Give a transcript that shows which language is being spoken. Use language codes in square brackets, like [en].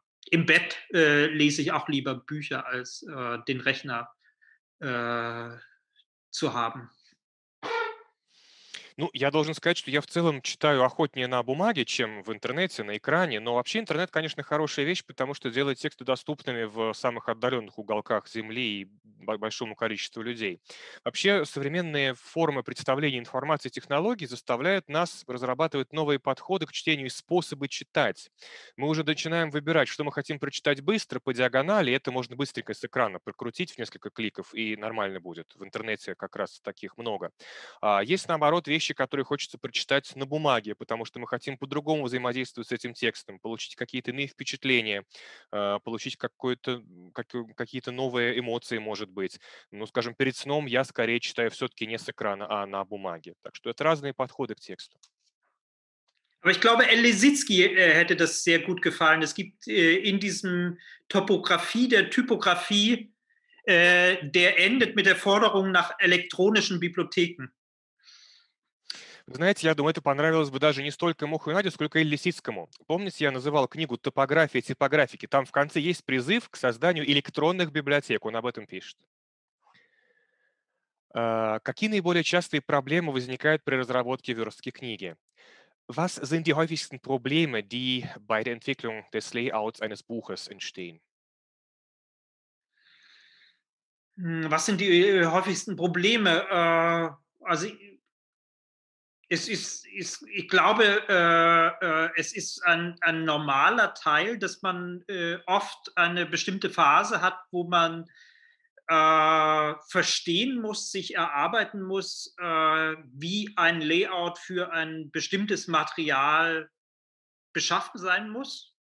[de] Im Bett lese ich auch lieber Bücher, als den Rechner zu haben. [ru] Ну, я должен сказать, что я в целом читаю охотнее на бумаге, чем в интернете, на экране. Но вообще интернет, конечно, хорошая вещь, потому что делает тексты доступными в самых отдаленных уголках Земли и большому количеству людей. Вообще современные формы представления информации и технологий заставляют нас разрабатывать новые подходы к чтению и способы читать. Мы уже начинаем выбирать, что мы хотим прочитать быстро, по диагонали. Это можно быстренько с экрана прокрутить в несколько кликов, и нормально будет. В интернете как раз таких много. А есть, наоборот, вещи, которые хочется прочитать на бумаге, потому что мы хотим по-другому взаимодействовать с этим текстом, получить какие-то иные впечатления, получить какие-то новые эмоции, может быть. Ну, скажем, перед сном я скорее читаю все-таки не с экрана, а на бумаге. Так что это разные подходы к тексту. [de] Aber ich glaube, Elle Lissitzky hätte das sehr gut gefallen. Es gibt in diesem Topographie, der Typographie, der endet mit der Forderung nach elektronischen Bibliotheken. [ru] Знаете, я думаю, это понравилось бы даже не столько Мохуйнати, сколько Эль Лисицкому. Помните, я называл книгу «Топография типографики»? Там в конце есть призыв к созданию электронных библиотек. Он об этом пишет. Какие наиболее частые проблемы возникают при разработке верстки книги? [de] Was sind die häufigsten Probleme, die bei der Entwicklung des Layouts eines Buches entstehen? Was sind die häufigsten Probleme? Also Es ist, ist ich glaube, es ist ein normaler Teil, dass man oft eine bestimmte Phase hat, wo man verstehen muss, sich erarbeiten muss, wie ein Layout für ein bestimmtes Material beschaffen sein muss.